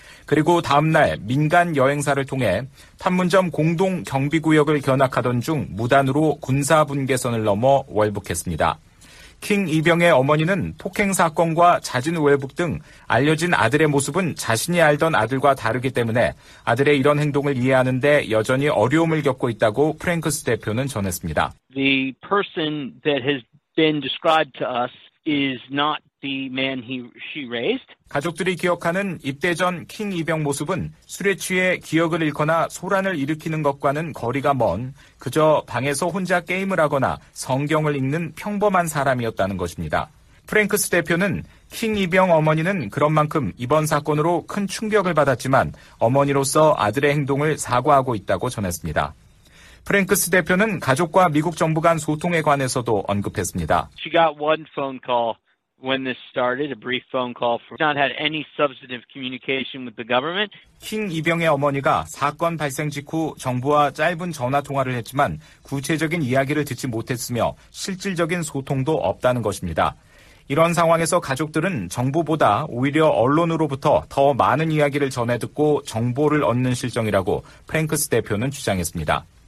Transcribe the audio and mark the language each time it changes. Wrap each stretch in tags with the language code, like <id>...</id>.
<ko>그리고 다음 날 민간 여행사를 통해 판문점 공동 경비구역을 견학하던 중 무단으로 군사분계선을 넘어 월북했습니다. 킹 이병의 어머니는 폭행 사건과 자진 월북 등 알려진 아들의 모습은 자신이 알던 아들과 다르기 때문에 아들의 이런 행동을 이해하는 데 여전히 어려움을 겪고 있다고 프랭크스 대표는 전했습니다.</ko> <en>The person that has been described to us is not the man she raised.</en> <ko>가족들이 기억하는 입대 전 킹 이병 모습은 술에 취해 기억을 잃거나 소란을 일으키는 것과는 거리가 먼 그저 방에서 혼자 게임을 하거나 성경을 읽는 평범한 사람이었다는 것입니다. 프랭크스 대표는 킹 이병 어머니는 그런 만큼 이번 사건으로 큰 충격을 받았지만 어머니로서 아들의 행동을 사과하고 있다고 전했습니다. 프랭크스 대표는 가족과 미국 정부 간 소통에 관해서도 언급했습니다.</ko> <en>She got one phone call. When this started, a brief phone call. She's not had any substantive communication with the government.</en> <ko>킹 이병의 어머니가 사건 발생 직후 정부와 짧은 전화 통화를 했지만 구체적인 이야기를 듣지 못했으며 실질적인 소통도 없다는 것입니다. 이런 상황에서 가족들은 정부보다 오히려 언론으로부터 더 많은 이야기를 전해 듣고 정보를 얻는 실정이라고 프랭크스 대표는 주장했습니다.</ko>